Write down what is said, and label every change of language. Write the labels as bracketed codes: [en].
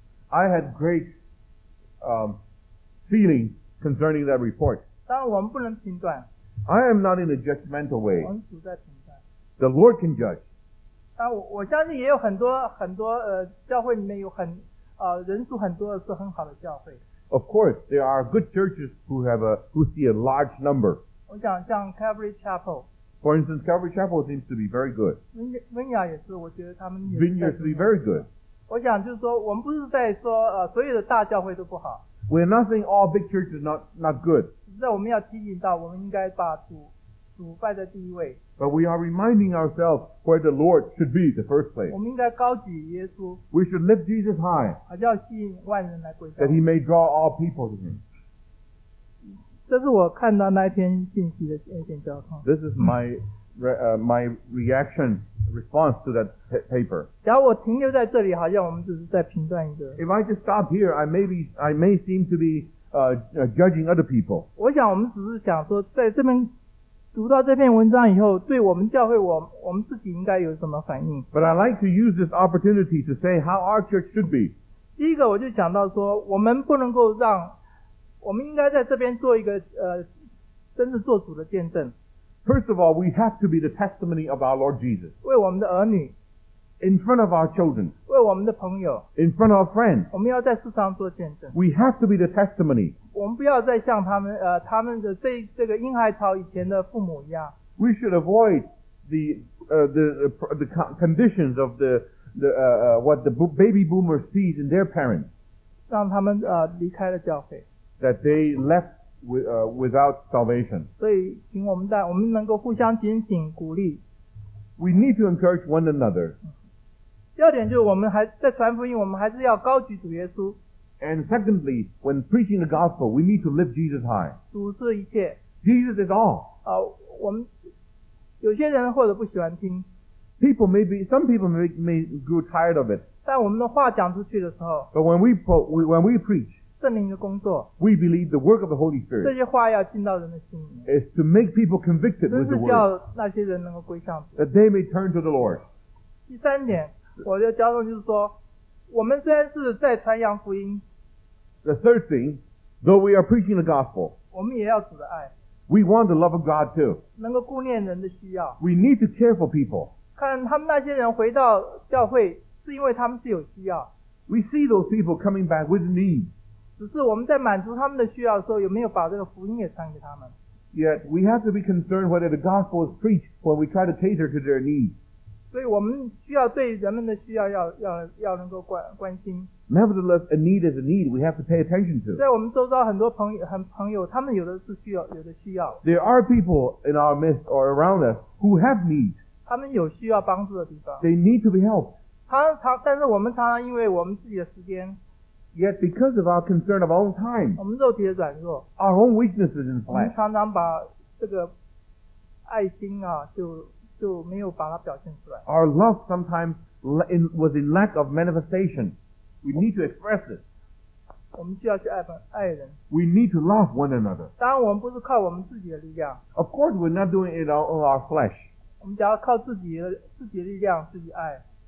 [en] I had great feeling concerning that report. [zh] 当然我们不能评断。 [en] I am not in a judgmental way. [zh] 我们主在评断。 [en] The Lord can judge. [zh] 但我相信也有很多教会里面有很人数很多的是很好的教会。 [en] Of course, there are good churches who see a large number. [zh] 我想像 Calvary Chapel. [en] For instance, Calvary Chapel seems to be very good. [zh] Vineyard 也是，我觉得他们。 [en] Vineyard seems to be very good. [zh] 我想就是说我们不是在说所有的大教会都不好。 [en] We're not saying all big churches not good. [zh] 那我们要提醒到我们应该把主拜在第一位。 [en] But we are reminding ourselves where the Lord should be the first place. [zh] 我们应该高举耶稣。 [en] We should lift Jesus high. [zh] 好像吸引万人来归。 [en] That he may draw all people to him. [zh] 这是我看到那篇信息的一点交通。 [en] This is my reaction. Response to that paper. [zh] 假如我停留在这里，好像我们只是在评断一个。 [en] If I just stop here, I may seem to be judging other people. [zh] 我想我们只是想说，在这边读到这篇文章以后，对我们教会我们自己应该有什么反应。 [en] But I like to use this opportunity to say how our church should be. [zh] 第一个，我就讲到说，我们不能够让，我们应该在这边做一个真正做主的见证。 [en] First of all, we have to be the testimony of our Lord Jesus. [zh] 为我们的儿女。 [en] In front of our children. [zh] 为我们的朋友。 [en] In front of our friends. [zh] 我们要在世上做见证。 [en] We have to be the testimony. [zh] 我们不要再像他们的这个婴孩潮以前的父母一样。 [en] We should avoid the conditions of what the baby boomers see in their parents. [zh] 让他们离开了教会。 [en] That they left. Without salvation. [zh] 所以请我们能够互相警醒鼓励。 [en] We need to encourage one another. [zh] 第二点就是我们还在传福音，我们还是要高举主耶稣。 [en] And secondly, when preaching the gospel, we need to lift Jesus high. [zh] 主是一切。 [en] Jesus is all. [zh] 我们有些人或者不喜欢听。 [en] People may be, some people may grow tired of it. [zh] 但我们的话讲出去的时候。 [en] But when we preach, [zh] 圣灵的工作 [en] we believe the work of the Holy Spirit [zh] 这些话要进到人的心里面 [en] is to make people convicted with the word [zh] 真是叫那些人能够归向主 [en] that they may turn to the Lord [zh] 第三点我的交通就是说我们虽然是在传扬福音 [en] the third thing though we are preaching the gospel [zh] 我们也要主的爱 [en] we want the love of God too [zh] 能够顾念人的需要 [en] we need to care for people [zh] 看他们那些人回到教会是因为他们是有需要 [en] we see those people coming back with needs [zh] 只是我们在满足他们的需要的时候，有没有把这个福音也传给他们 [en] ？Yet we have to be concerned whether the gospel is preached when we try to cater to their needs. [zh] 所以我们需要对人们的需要要能够关心。 [en] Nevertheless, a need is a need. We have to pay attention to. [zh] 在我们周遭很多朋友，他们有的是需要，有的需要。 [en] There are people in our midst or around us who have needs. [zh] 他们有需要帮助的地方。 [en] They need to be helped. [zh] 但是我们常常因为我们自己的时间。 [en] Yet because of our concern of our own time, [zh] 我们肉体的软弱, [en] our own weaknesses in flesh, [zh] 我们常常把这个爱心啊, 就没有把它表现出来。 [en] Our love sometimes was in lack of manifestation. We need to express it. [zh] 我们就要去爱人。 [en] We need to love one another. [zh] 当然我们不是靠我们自己的力量。 [en] Of course we're not doing it on our flesh. [zh] 我们只要靠自己的力量自己爱。